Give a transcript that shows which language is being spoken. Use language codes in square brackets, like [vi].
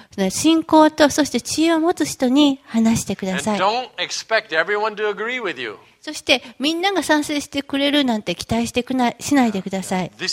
[ja] 信仰とそして知恵を持つ人に話してください。 [en] Don't expect everyone to agree with you. [ja] そしてみんなが賛成してくれるなんて期待してしないでください。